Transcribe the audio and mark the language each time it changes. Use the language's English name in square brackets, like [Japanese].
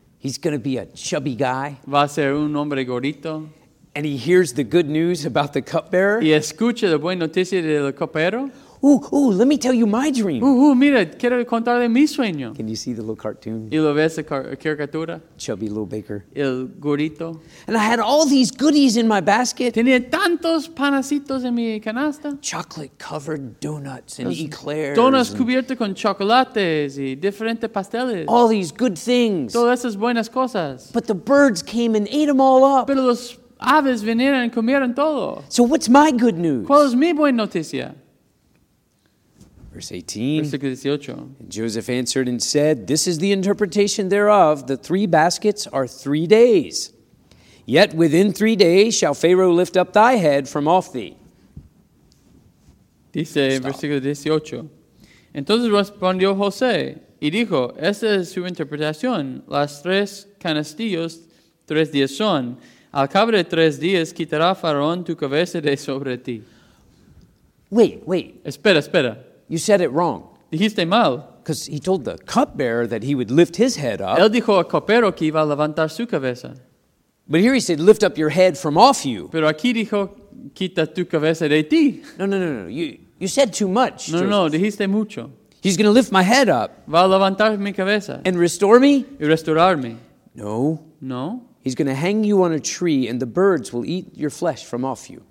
[English] He's going to be a chubby guy. [Spanish] Va a ser un hombre gordito. [English] And he hears the good news about the cupbearer. [Spanish] Y escucha la buena noticia del copero. [English] Ooh, let me tell you my dream. [Spanish] Ooh, mira, quiero contarle mi sueño. [English] Can you see the little cartoon? [Spanish] ¿Y lo ves caricatura? [English] Chubby little baker. [Spanish] El gordito. [English] And I had all these goodies in my basket. [Spanish] Tenía tantos panacitos en mi canasta. [English] Chocolate-covered donuts and eclairs. [Spanish] Donuts cubiertos con chocolates y diferentes pasteles. [English] All these good things. [Spanish] Todas esas buenas cosas. [English] But the birds came and ate them all up. [Spanish] Pero los aves vinieron y comieron todo. [English] So what's my good news? [Spanish] ¿Cuál es mi buena noticia? [English] Verse 18. Joseph answered and said, "This is the interpretation thereof. The three baskets are 3 days. Yet within 3 days shall Pharaoh lift up thy head from off thee." [Spanish] Dice en versículo 18. Entonces respondió José y dijo, "Esta es su interpretación. Las tres canastillos 3 días son. Al cabo de 3 días quitará Faraón tu cabeza de sobre ti." [English] Wait. [Spanish] Espera. [English] You said it wrong. [Spanish] Dijiste mal. [English] Because he told the cupbearer that he would lift his head up. [Spanish] Él dijo al copero que iba a levantar su cabeza. [English] But here he said, lift up your head from off you. [Spanish] Pero aquí dijo, quita tu cabeza de ti. [English] No. You said too much. [Spanish] No, dijiste mucho. [English] He's going to lift my head up. [Spanish] Va a levantar mi cabeza. [English] And restore me? [Spanish] Y restaurarme. [English] No. [Spanish] No. [English] He's going to hang you on a tree and the birds will eat your flesh from off you.